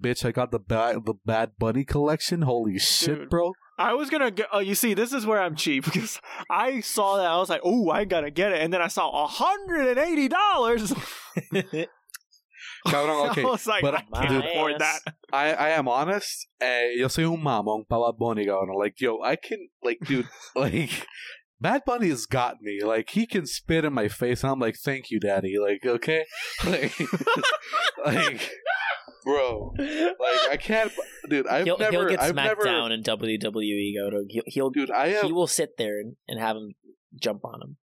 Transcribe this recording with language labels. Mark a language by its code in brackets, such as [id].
[en] Bitch, I got the Bad Bunny collection. Holy shit, dude. Bro. I was going to get... you see, this is where I'm cheap. Because I saw that. I was like, oh, I got to get it. And then I saw $180. [es] Cabrón, okay. [en] I was like, but, I can't afford that. I am honest. [es] Yo soy un mamón para Bad Bunny, cabrón. [en] Like, yo, I can... Like, dude, like... Bad Bunny has got me. Like, he can spit in my face, and I'm like, thank you, daddy. Like, okay? Like, bro. Like, I can't... Dude, He'll get smacked down in WWE, Goto. He will sit there and have him jump on him.